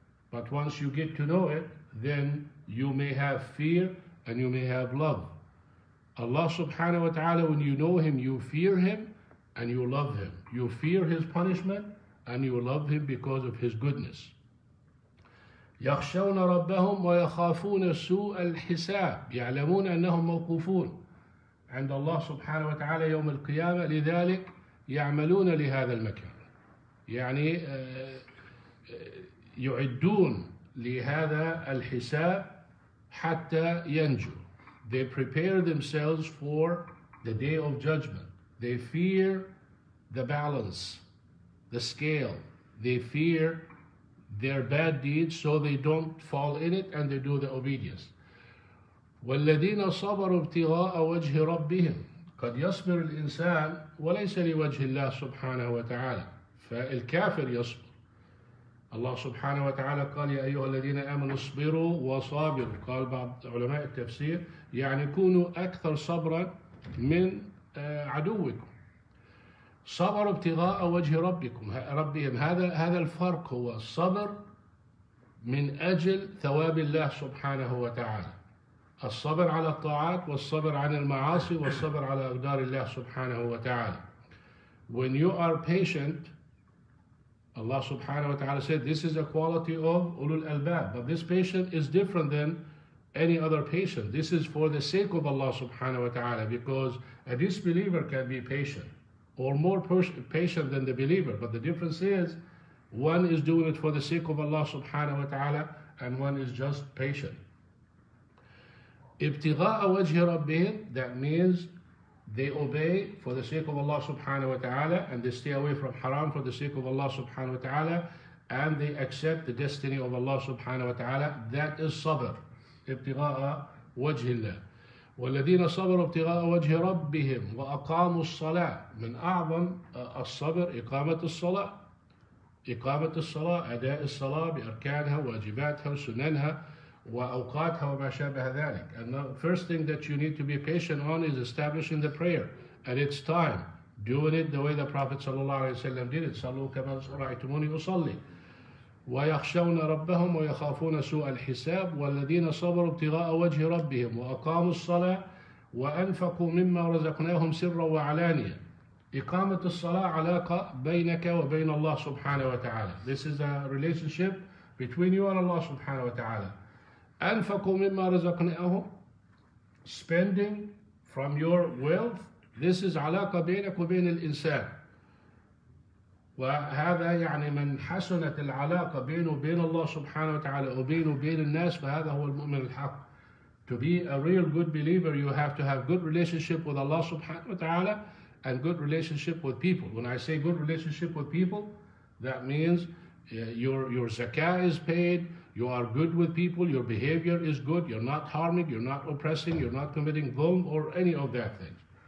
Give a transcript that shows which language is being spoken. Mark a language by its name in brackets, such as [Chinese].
[English] But once you get to know it, then you may have fear and you may have love. Allah subhanahu wa ta'ala, when you know Him, you fear Him and you love Him. You fear His punishment and you love Him because of His goodness. [Arabic] يَخْشَوْنَ رَبَّهُمْ وَيَخَافُونَ سُوءَ الْحِسَابِ يَعْلَمُونَ أَنَّهُمْ مَوْقُوفُونَ عند الله سبحانه وتعالى يوم القيامة لذلك يعملون لهذا المكان يعني يعدون لهذا الحساب حتى ينجو. [English] They prepare themselves for the day of judgment. They fear the balance, the scale. They fear their bad deeds, so they don't fall in it and they do the obedience. [Arabic] وَالَّذِينَ صَبَرُوا ابْتِغَاءَ وَجْهِ رَبِّهِمْ قَدْ يَصْبِرُ الْإِنسَانُ وَلَيْسَ لِوَجْهِ اللَّهِ سُبْحَانَهُ وَتَعَالَى. فالكافر يصبر. الله سبحانه وتعالى قال يا أيها الذين آمنوا اصبروا وصابروا. قال بعض علماء التفسير يعني كونوا أكثر صبرا من عدوكم. صبر ابتغاء وجه ربكم ربهم. هذا الفرق هو الصبر من أجل ثواب الله سبحانه وتعالى. الصبر على الطاعات والصبر عن المعاصي والصبر على أقدار الله سبحانه وتعالى. [English] When you are patient, Allah subhanahu wa ta'ala said this is a quality of ulul albab. But this patient is different than any other patient. This is for the sake of Allah subhanahu wa ta'ala, because a disbeliever can be patient or more patient than the believer. But the difference is, one is doing it for the sake of Allah subhanahu wa ta'ala, and one is just patient. [Arabic] Ibtigha'a wajhi rabbihim, [English] that means they obey for the sake of Allah subhanahu wa ta'ala, and they stay away from haram for the sake of Allah subhanahu wa ta'ala, and they accept the destiny of Allah subhanahu wa ta'ala. That is sabr. [Arabic] Ibtigha'a wajhi Allah. والذين صبروا ابتغاء وجه ربهم وأقاموا الصلاة. من أعظم الصبر إقامة الصلاة. إقامة الصلاة، أداء الصلاة بأركانها واجباتها وسننها وأوقاتها وما شابه ذلك. And the first thing that you need to be patient on is establishing the prayer at its time, doing it the way the Prophet صلى الله عليه وسلم did it. صلوا كما رأيتموني أصلي. ويخشون ربهم ويخافون سوء الحساب. والذين صبروا ابتغاء وجه ربهم وأقاموا الصلاة وأنفقوا مما رزقناهم سرا وعلانية. إقامة الصلاة علاقة بينك وبين الله سبحانه وتعالى. [English] This is a relationship between you and Allah سبحانه وتعالى. [Arabic] أنفقوا مما رزقناهم. [English] Spending from your wealth. This is [Arabic] علاقة بينك وبين الإنسان. وهذا يعني من حسنت العلاقة بينه وبين الله سبحانه وتعالى وبينه وبين الناس فهذا هو المؤمن الحق. [English] To be a real good believer, you have to have good relationship with Allah سبحانه وتعالى and good relationship with people. When I say good relationship with people, that means your zakah is paid, you are good with people, your behavior is good, you're not harming, you're not oppressing, you're not committing dhulm or any of that things.